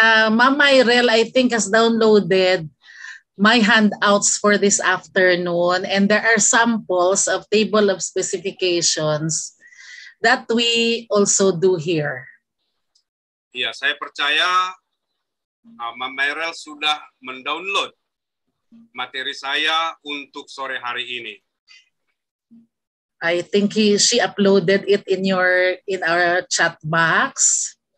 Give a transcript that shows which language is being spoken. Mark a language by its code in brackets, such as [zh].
[en] Mam Myrel, I think, has downloaded my handouts for this afternoon, and there are samples of table of specifications that we also do here. [id] Iya, saya percaya. Mam Myrel sudah mendownload materi saya untuk sore hari ini. [en] I think she uploaded it in our chat box.